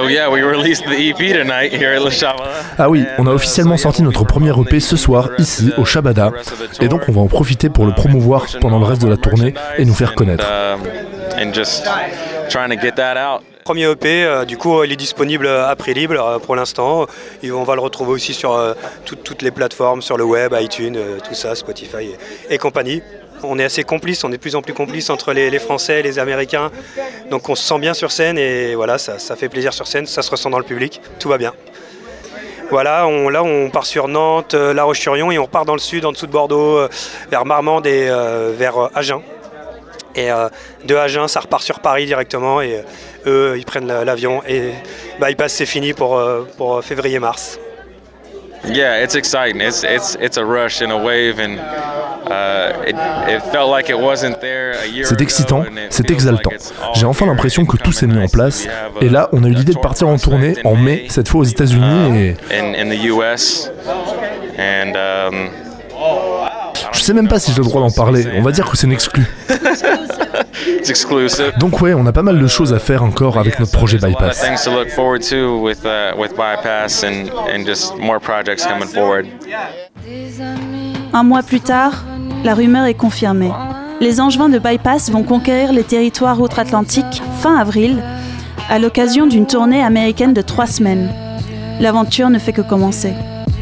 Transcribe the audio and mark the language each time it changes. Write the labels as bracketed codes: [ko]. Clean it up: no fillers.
[en] We released the EP tonight here at Le Shabada. [fr] Ah oui, on a officiellement sorti notre premier EP ce soir ici au Shabada, et donc on va en profiter pour le promouvoir pendant le reste de la tournée et nous faire connaître. Premier EP, du coup, il est disponible à prix libre pour l'instant. Et on va le retrouver aussi sur toutes les plateformes, sur le web, iTunes, tout ça, Spotify et compagnie. On est assez complices, on est de plus en plus complices entre les Français et les Américains. Donc on se sent bien sur scène et voilà, ça fait plaisir sur scène, ça se ressent dans le public, tout va bien. Voilà, on part sur Nantes, La Roche-sur-Yon et on part dans le sud, en dessous de Bordeaux, vers Marmande et vers Agen. Et de Agen, ça repart sur Paris directement et eux, ils prennent l'avion et ils passent, c'est fini pour février-mars. [en] Yeah, it's exciting. It's a rush and a wave, and it felt like it wasn't there a year. [fr] C'est excitant, c'est exaltant. J'ai enfin l'impression que tout s'est mis en place. Et là, on a eu l'idée de partir en tournée en mai, cette fois aux États-Unis et. [en] In the U.S. And [fr] je sais même pas si j'ai le droit d'en parler. On va dire que c'est une exclu. [en] It's exclusive. [fr] Donc ouais, on a pas mal de choses à faire encore avec notre projet Bypass. [en] Things to look forward to with Bypass and just more projects coming forward. [fr] Un mois plus tard, la rumeur est confirmée. Les Angevins de Bypass vont conquérir les territoires outre-Atlantique fin avril à l'occasion d'une tournée américaine de 3 semaines. L'aventure ne fait que commencer.